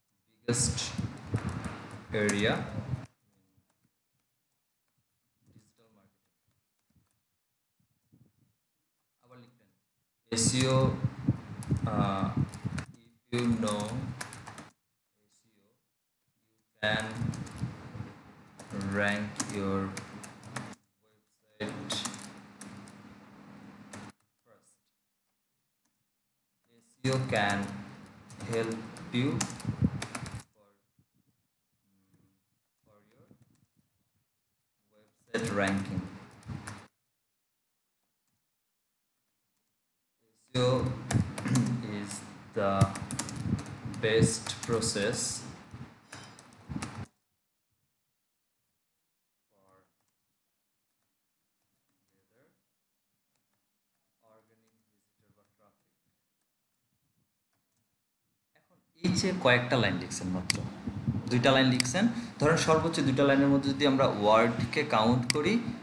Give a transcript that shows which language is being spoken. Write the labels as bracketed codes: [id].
[en] biggest area digital marketing, [bn] আবার লিখবেন [en] SEO if you know and rank your website first. SEO can help you for your website ranking. SEO is the best process [bn] যে কয়েকটা line লিখছেন, মাত্র 2টা line লিখছেন, ধরেন সর্বোচ্চ 2টা লাইনের মধ্যে যদি আমরা ওয়ার্ডকে কাউন্ট করি,